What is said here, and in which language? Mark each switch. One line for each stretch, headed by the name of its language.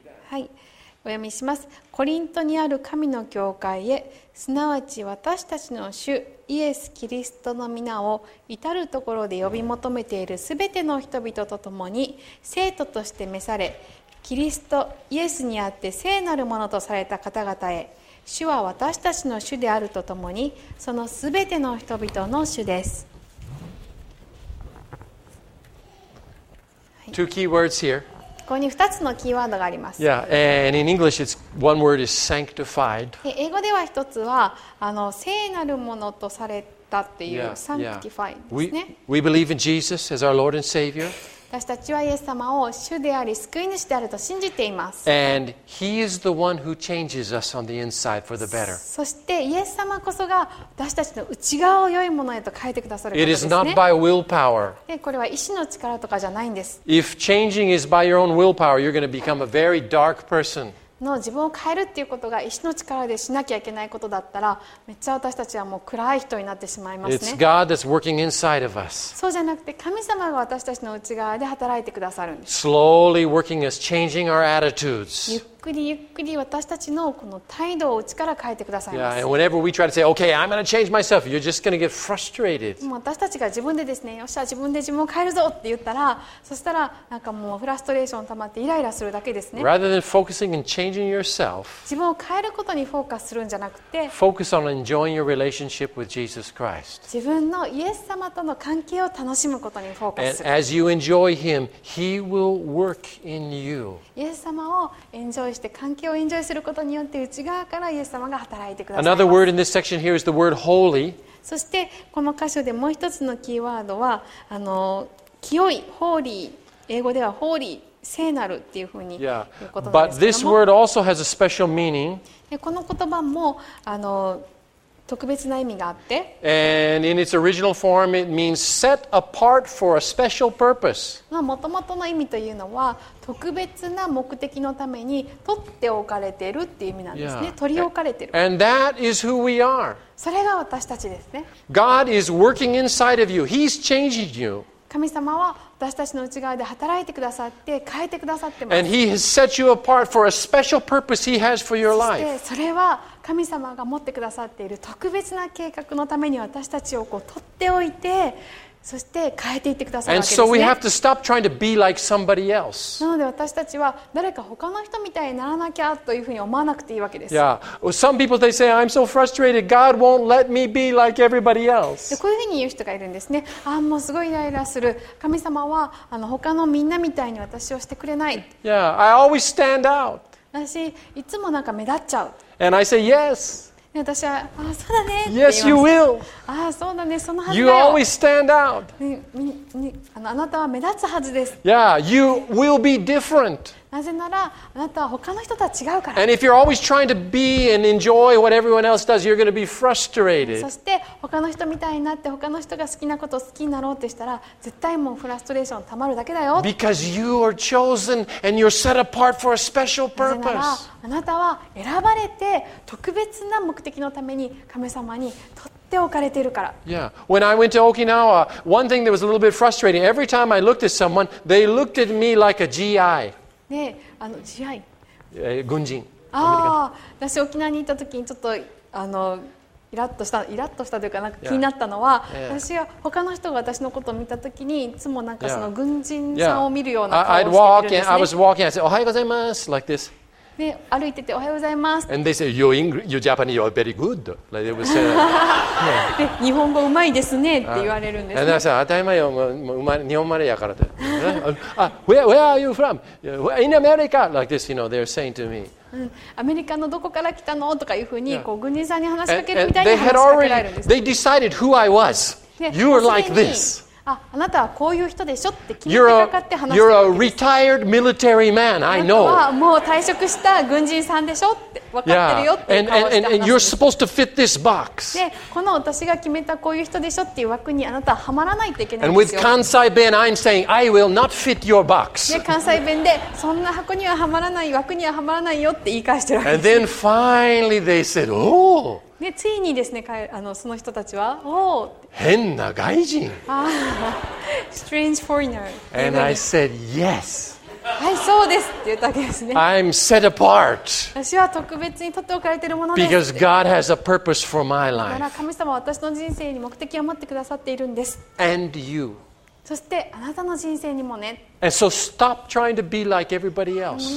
Japanese: はい、お読みします。コリントにある神の教会へ、すなわち私たちの主イエス・キリストの皆を至るところで呼び求めているすべての人々と共に聖徒として召され、キリストイエスにあって聖なるものとされた方々へ、主は私たちの主であるとともに、そのすべての人々の主です。
English: Two key words here.
Japanese: ここに2つのキーワードがあります。
English: Yeah, and in English, it's one word is sanctified.
Japanese: 英語では1つは聖なるものとされたっていう sanctified ですね。
English: We believe in Jesus as our Lord and Savior.
Japanese: 私たちはイエス様を主であり救い主であると信じています。
English: And he is the one who changes us on the inside for the better.
Japanese: そしてイエス様こそが私たちの内側を良いものへと変えてくださる方ですね。
English: It is not by willpower.
Japanese: で、これは意志の力とかじゃないんです。
English: If changing is by your own willpower, you're going to become a very dark person.
Japanese: の自分を変えるっていうことが意志の力でしなきゃいけないことだったら、めっちゃ私たちはもう暗い人になってしまいますね。
English: It's God that's working inside of us.
Japanese: そうじゃなくて神様が私たちの内側で働いてくださるんです。
English: Slowly working us, changing our attitudes.
Japanese: ゆっくりゆっくり私たちのこの態度を内から変えてくださいます。
English: Yeah, and whenever we try to say, okay, I'm going to change myself, you're just going to get frustrated.
Japanese: もう私たちが自分でですね、よっしゃ、自分で自分を変えるぞって言ったら、そしたらなんかもうフラストレーション溜まってイライラするだけですね。
English: Rather than focusing and changing yourself,
Japanese: 自分を変えることにフォーカスするんじゃなくて、
English: focus on enjoying your relationship with Jesus Christ.
Japanese: 自分のイエス様との関係を楽しむことにフォーカスする。
English: And as you enjoy him, he will work in you.
Japanese: イエス様をエンジョイして関係をエンジョイすることによって内側からイエス様が働いてくださる。
English: Another word in this section here is the word holy.
Japanese: そしてこの箇所でもう一つのキーワードは清い、ホーリー、英語ではホーリー、聖なるっていうふうに言うことなんですけども、
English: yeah. But this word also has a
Japanese: この言葉も特別な意味があって、
English: And in its original form, it means set apart for a special purpose.
Japanese: まあ元々の意味というのは特別な目的のために取っておかれているっていう意味なんですね。
English: Yeah.
Japanese: 取り置かれている。
English: And that is who we are.
Japanese: それが私たちですね。
English: God is working inside of you. He's changing you.
Japanese: 神様は私たちの内側で働いてくださって変えてくださってます。
English: And he has set you apart for a special purpose he has for your life.
Japanese: そしてそれは神様が持ってくださっている特別な計画のために私たちをこう取っておいて、そして変えていってくださるわけですね。
English: And so we have to stop trying to be like somebody else.
Japanese: なので私たちは誰か他の人みたいにならなきゃというふうに思わなくていいわけです。
English: Yeah. Some people they say, I'm so frustrated. God won't let me be like everybody else.
Japanese: でこういうふうに言う人がいるんですね。あ、もうすごいイライラする。神様は他のみんなみたいに私をしてくれない。
English: Yeah. I always stand out.
Japanese: 私いつもなんか目立っちゃう。
English: And I say yes.
Japanese: 私は、あ、そうだね。
English: Yes, you will.
Japanese: あ、そうだね、その話だよ。
English: You always stand out.
Japanese: あなたは目立つはずです。
English: Yeah, you will be different.
Japanese: なぜならあなたは他の人とは違うから。
English: And if you're always trying to be and enjoy what everyone else does, you're going to be frustrated.
Japanese: そして他の人みたいになって他の人が好きなことを好きになろうとしたら絶対もうフラストレーションたまるだけだよ。
English: Because you are chosen and you're set apart for a special purpose.
Japanese: なぜならあなたは選ばれて特別な目的のために神様にとって置かれているから。
English: Yeah. When I went to Okinawa, one thing that was a little bit frustrating, every time I looked at someone, they looked at me like a GI.
Japanese: ね、あの GI。軍人。ああ、私沖縄に行った時にちょっとあのイラッとした、イラッとしたというかなんか気になったのは、
English: yeah.
Japanese: 私は他の人が私のことを見た時にいつもなんかその軍人さんを見るような顔をしているんですね。
English: Yeah. I'd walk and I was walking. I said,
Japanese: "おはようございます."
English: Like this.
Japanese: で歩いてておはようございます。
English: And they say you're English, you're Japanese, you're very good. Like they would say.
Japanese: 日本語うまいですねって言われるんです、ね。
English: And I said
Japanese: 当たり前よ、もう生まれ日本生まれやからと。
English: where are you from? In America, like this, you know, they're saying to me.
Japanese: アメリカのどこから来たのとかいうふうに、
English: yeah.
Japanese: こう軍人さんに話しかけるみたいな話しかけられるんです、ね。
English: They decided who I was. You are like this.
Japanese: あなたはこういう人でしょって決めてかかって話してるんです。
English: You're a retired military man, I know.
Japanese: あなたはもう退職した軍人さんでしょって分かってるよって顔して話してるんです。
English: And you're supposed to fit this box.
Japanese: で、この私が決めたこういう人でしょっていう枠にあなたははまらないといけないんですよ。
English: And with Kansai Ben, I'm saying, I will not fit your box.
Japanese: で、関西弁で、そんな箱にははまらない、枠にははまらないよって言い返してるわけです。
English: And then finally they said, oh!
Japanese: でついにですね、あのその人たちは、おお、変な外人。
English: Strange foreigner. And I said yes.
Japanese: はい、そうですって言ったわけですね。
English: I'm set apart.
Japanese: 私は特別に取っておかれているものです。
English: Because God has a purpose for my life.
Japanese: だから神様は私の人生に目的を持ってくださっているんです。
English: And you.
Japanese: そしてあなたの人生にもね。
English: And so stop trying to be like everybody else.